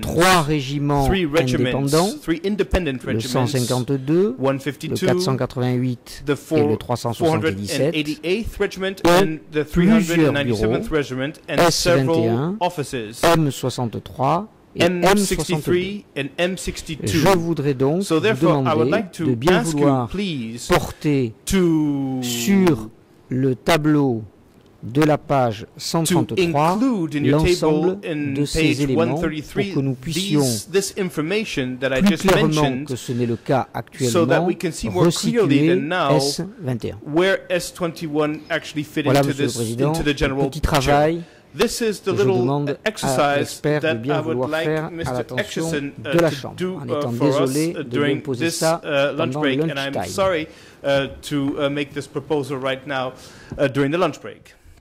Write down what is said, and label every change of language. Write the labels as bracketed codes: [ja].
[fr] 3 régiments indépendants. [en] 3 independent regiments. [fr] Le 152, [en] 152, [fr] le 488 et le 377. [en] 88th regiment and the 397th regiment and several offices. [fr] M63 et M62. Je voudrais donc vous demander de bien vouloir porter sur le tableau de la page 133 l'ensemble de ces éléments pour que nous puissions plus clairement que ce n'est le cas actuellement resituer S21. [en] Where S21 actually fit [fr] voilà, [en] into [fr] Monsieur [en] this, [fr] le Président, [en] into the [fr] petit travail. [en] This is the little exercise that I would like Mr. Etcheson to do for us during this lunch break, and I'm sorry to make this proposal right now during the lunch break.